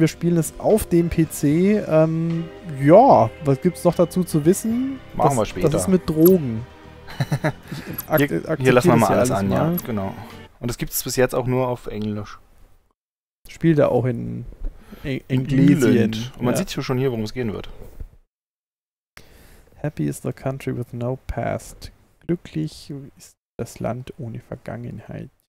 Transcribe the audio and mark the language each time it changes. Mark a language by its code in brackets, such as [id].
[de] Wir spielen es auf dem PC. Ja, was gibt's noch dazu zu wissen? Machen das, wir später. Das ist mit Drogen. hier lassen wir mal alles an, mal. Ja. Genau. Und das gibt es bis jetzt auch nur auf Englisch. Spielt er auch in Englisch. Und man sieht schon hier, worum es gehen wird. [en] Happy is the country with no past. [de] Glücklich ist das Land ohne Vergangenheit.